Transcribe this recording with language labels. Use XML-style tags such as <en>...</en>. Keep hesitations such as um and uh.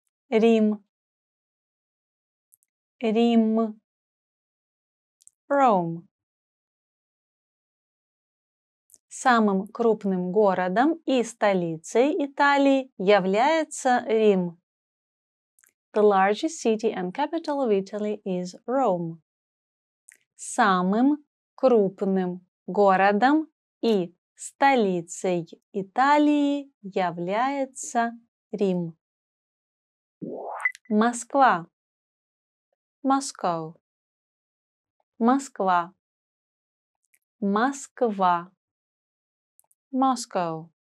<ru>Рим. Рим. Ром. Самым крупным городом и столицей Италии является Рим.</ru> <en>The largest city and capital of Italy is Rome.</en> <ru>Самым крупным городом и столицей Италии является Рим. Москва. Москва. Москва. Москва. Москва.</ru>